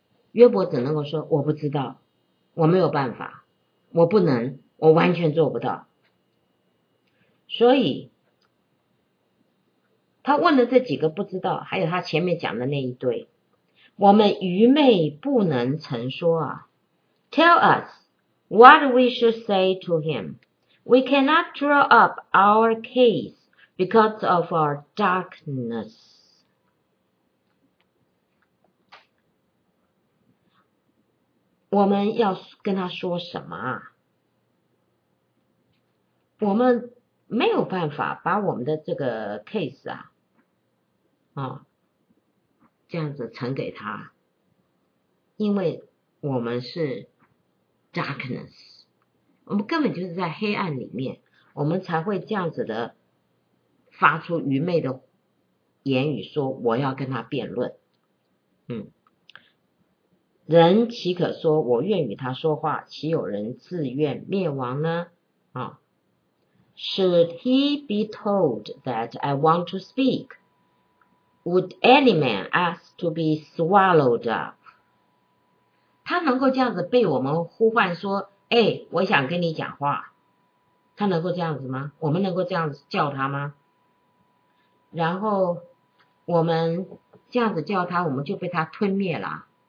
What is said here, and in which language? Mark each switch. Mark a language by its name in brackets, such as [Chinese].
[Chinese] 约伯只能够说，我不知道，我没有办法，我不能，我完全做不到。所以，他问的这几个不知道，还有他前面讲的那一堆，我们愚昧不能成说啊。 [English] Tell us. What we should say to him. We cannot draw up our case Because of our darkness. Woman, Woman, male panfa, bawom the jigger case. Ah, Jansa Tangeta. Inway, woman, darkness. [Chinese] 我们根本就是在黑暗里面，我们才会这样子的发出愚昧的言语，说我要跟他辩论。嗯，人岂可说我愿与他说话？岂有人自愿灭亡呢？ [English] 啊 ，Should he be told that I want to speak? Would any man ask to be swallowed up? [Chinese] 他能够这样子被我们呼唤说？哎，我想跟你讲话，他能够这样子吗？我们能够这样子叫他吗？然后我们这样子叫他，我们就被他吞灭了。